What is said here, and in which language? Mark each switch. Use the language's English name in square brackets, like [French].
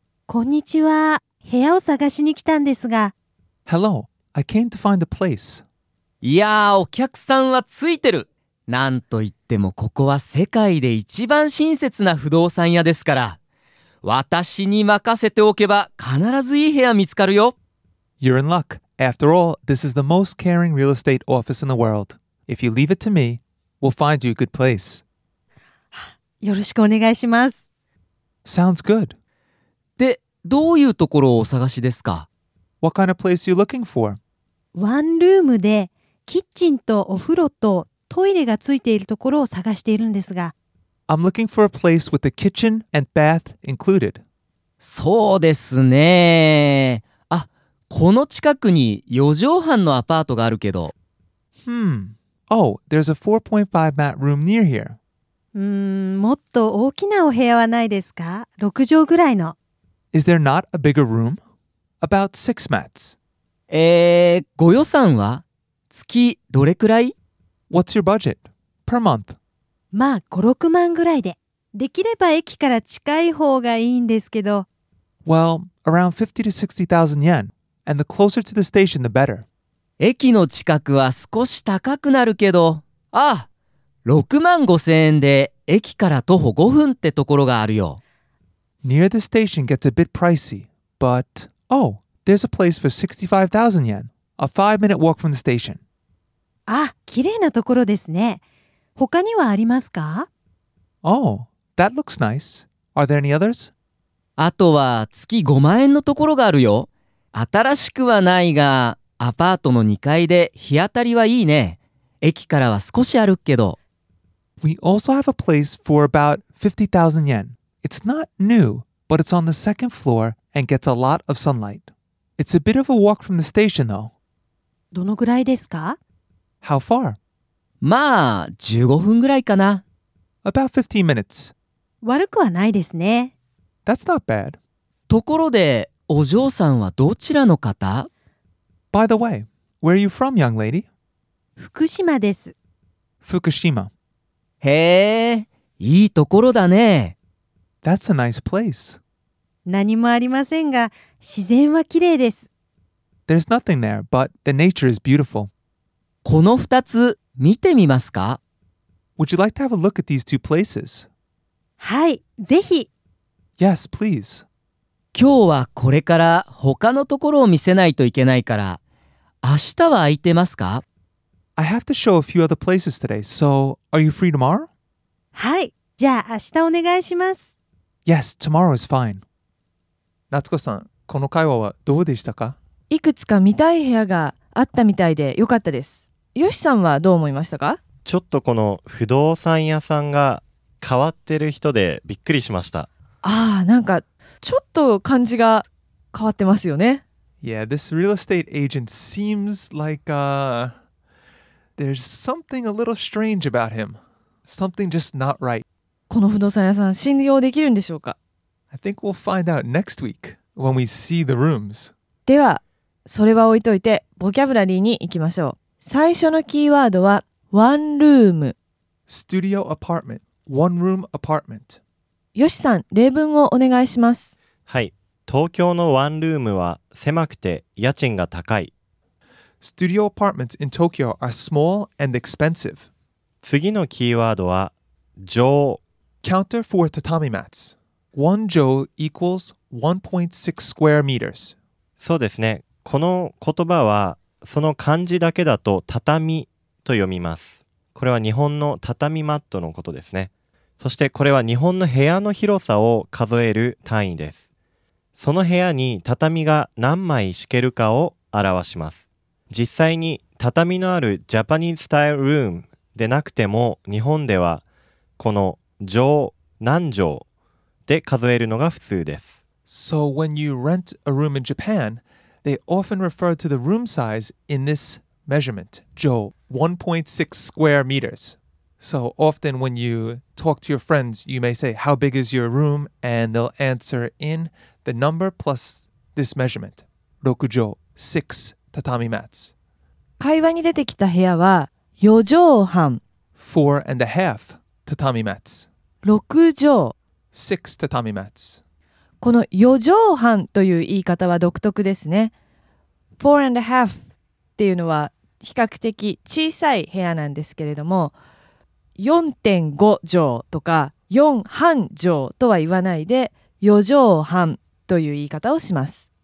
[Japanese] こんにちは、部屋を探しに来たんですが。 [English] Hello, I came to find a place。 [Japanese] いやー、お客さんはついてる。なんといってもここは世界で一番親切な不動産屋ですから、私に任せておけば必ずいい部屋見つかるよ。 [English] You're in luck. After all, this is the most caring real estate office in the world. If you leave it to me, we'll find you a good place. [Japanese] よろしくお願いします。 [English] Sounds good. [Japanese] で、どういうところをお探しですか？ [English] What kind of place are you looking for? [Japanese] ワンルームでキッチンとお風呂とトイレがついているところを探しているんですが。 [English] I'm looking for a place with the kitchen and bath included. [Japanese] そうですね。あ、この近くに4畳半のアパートがあるけど。 [English] Oh, there's a 4.5 mat room near here. [Japanese] もっと大きなお部屋はないですか？ 6畳ぐらいの。 [English] Is there not a bigger room? About 6 mats. [Japanese] ご予算は月どれくらい？ [English] What's your budget? Per month? [Japanese] まあ、5、6万ぐらいで。できれば駅から近い方がいいんですけど。 [English] Well, around 50 to 60,000 yen. And the closer to the station, the better. [Japanese] 駅の近くは少し高くなるけど。ああ、6万5000円で駅から徒歩5分ってところがあるよ。 [English] Near the station gets a bit pricey, but... Oh, There's a place for 65,000 yen, a five-minute walk from the station. [Japanese] Ah, 綺麗なところですね。他にはありますか? [English] Oh, that looks nice. Are there any others? [Japanese] あとは月5万円のところがあるよ。新しくはないが、アパートの2階で日当たりはいいね。駅からは少し歩くけど。 [English] We also have a place for about 50,000 yen. It's not new, but it's on the second floor and gets a lot of sunlight. It's a bit of a walk from the station, though. [Japanese] どのぐらいですか? [English] How far? [Japanese] まあ、15分ぐらいかな。 [English] About 15 minutes. [Japanese] 悪くはないですね。 [English] That's not bad. [Japanese] ところで、お嬢さんはどちらの方? [English] By the way, where are you from, young lady? [Japanese] 福島です。 [English] Fukushima. [Japanese] へえ、いいところだね。 [English] That's a nice place. [Japanese] 何もありませんが、自然はきれいです。 [English] There's nothing there, but the nature is beautiful. [Japanese] この二つ、見てみますか? [English] Would you like to have a look at these two places? [Japanese] はい、ぜひ。 [English] Yes, please. [Japanese] 今日はこれから他のところを見せないといけないから、明日は空いてますか? [English] I have to show a few other places today, so are you free tomorrow? [Japanese] はい、じゃあ明日お願いします。 [English] Yes, tomorrow is fine. [Japanese] 夏子さん、この会話はどうでしたか? いくつか見たい部屋があったみたいでよかったです。ヨシさんはどう思いましたか? ちょっとこの不動産屋さんが変わってる人でびっくりしました。ああ、なんかちょっと感じが変わってますよね。 [English] Yeah, this real estate agent seems like a... There's something a little strange about him. Something just not right. [Japanese] この不動産屋さん、信用できるんでしょうか? [English] I think we'll find out next week when we see the rooms. [Japanese] では、それは置いといて、ボキャブラリーに行きましょう。最初のキーワードは、ワンルーム。 [English] Studio apartment. One room apartment. [Japanese] よしさん、例文をお願いします。はい。東京のワンルームは狭くて家賃が高い。 [English] Studio apartments in Tokyo are small and expensive. [Japanese] 次のキーワードは、ジョー。 [English] Counter for tatami mats. One ジョー equals 1.6 square meters. [Japanese] そうですね。この言葉は、その漢字だけだと、畳と読みます。これは日本の畳マットのことですね。そしてこれは日本の部屋の広さを数える単位です。その部屋に畳が何枚敷けるかを表します。実際に畳のあるジャパニーズスタイルルームでなくても日本ではこの畳何畳で数えるのが普通です。 [English] So when you rent a room in Japan, they often refer to the room size in this measurement, 畳 1.6 square meters. So often when you talk to your friends, you may say how big is your room and they'll answer in the number plus this measurement, 6畳 6. [Japanese] 畳マッツ会話に出てきた部屋は四畳半 [English] Four and a half 畳マッツ [Japanese] 六畳 [English] Six 畳マッツ [Japanese] この四畳半という言い方は独特ですね [English] Four and a half [Japanese] っていうのは比較的小さい部屋なんですけれども 4.5 畳とか四半畳とは言わないで四畳半という言い方をします